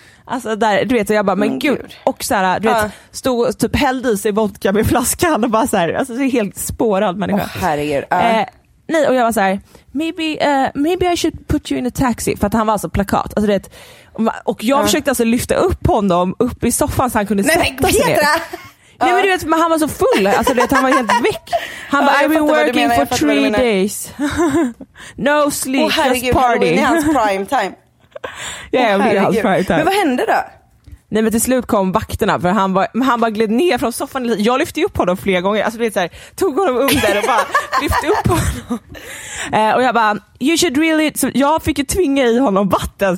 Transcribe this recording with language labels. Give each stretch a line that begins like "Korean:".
Swedish: Alltså där, du vet, så jag bara, men gud. Och så här, du vet, stod typ hällde i sig vodka med flaskan och bara så här, alltså så helt spårad människa. Åh, herregud. Nej, och jag var så här,
English: maybe I should put you in a taxi,
Swedish: för att han var så plakat. Alltså du vet, och jag försökte alltså lyfta upp honom upp i soffan så han kunde sätta sig ner. Nej, men du vet, han var så full. Alltså det, han var helt väck.
English: Han bara, I've been working for 3 days. No sleep,
Swedish: herregud,
English: just party.
Swedish: Åh herregud, det är hans prime time. Ja, yeah, det är hans prime time. Men vad hände då? Nej, men till slut kom vakterna. För han bara gled ner från soffan. Jag lyfte upp honom flera gånger. Alltså det är så här, tog honom under och bara lyfte upp honom. Och jag bara,
English: you should really...
Swedish: Så jag fick ju tvinga i honom vatten.